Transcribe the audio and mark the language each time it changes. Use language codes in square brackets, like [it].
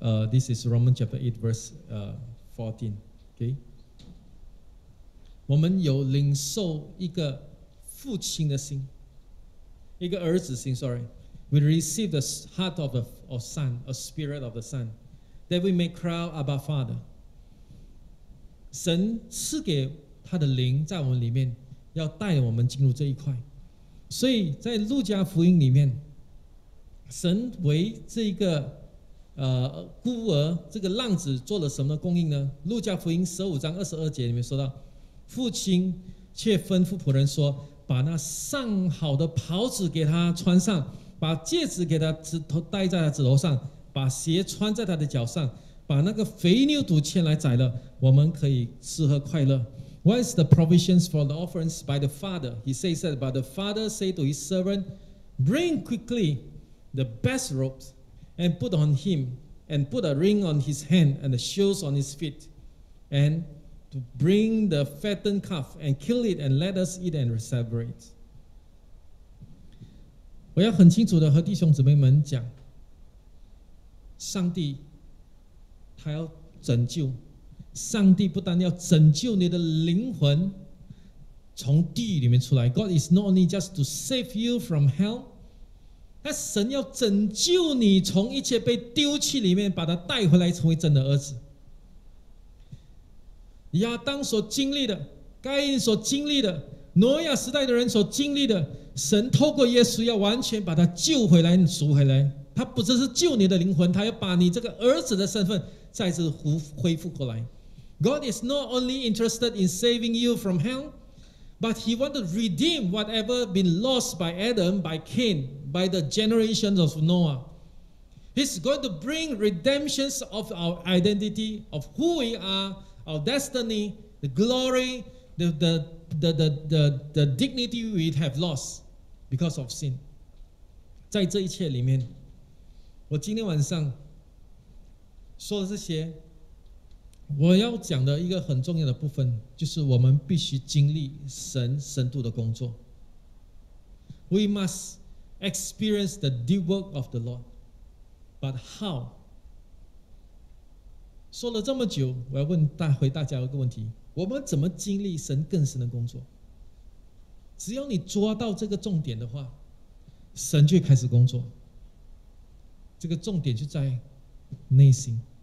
[en] This is Romans chapter 8 verse 14、okay? [zh] 我们有领受一个父亲的心，一个儿子心。 [en] Sorry, we receive the heart of a son, a spirit of the son, that we may cry Abba Father. [zh] 神赐给他的灵在我们里面，要带我们进入这一块。所以在路加福音里面，神为这个孤儿这个浪子做了什么的供应呢？路加福音15章22节里面说到，父亲却吩咐仆人说，把那上好的袍子给他穿上，把戒指给他戴在他指头上，把鞋穿在他的脚上，把那个肥牛犊牵来宰了，我们可以吃喝快乐。 [en] What is the provisions for the offerings by the father? He says that, but the father said to his servant, bring quickly the best robes and put on him, and put a ring on his hand and the shoes on his feet, andTo bring the fattened calf and kill it and let us eat and celebrate. [zh] 我要很清楚的和弟兄姊妹们讲，上帝他要拯救，上帝不但要拯救你的灵魂从地狱里面出来， God is not only just to save you from hell, 但神要拯救你从一切被丢弃里面，把他带回来成为真的儿子。亚当所经历的，该隐所经历的，挪亚时代的人所经历的，神透过耶稣要完全把他救回来、赎回来。他不只是救你的灵魂，他要把你这个儿子的身份再次恢复过来。 [en] God is not only interested in saving you from hell, but He wants to redeem whatever been lost by Adam, by Cain, by the generations of Noah. He's going to bring redemptions of our identity, of who we are, our destiny, the glory, the dignity we have lost because of sin. [zh] 在这一切里面，我今天晚上说的这些，我要讲的一个很重要的部分，就是我们必须经历神深度的工作。 [en] We must experience the deep work of the Lord. But how? [zh] 说了这么久，我要回大家一个问题：我们怎么经历神更深的工作？只要你抓到这个重点的话，神就开始工作。这个重点就在内心。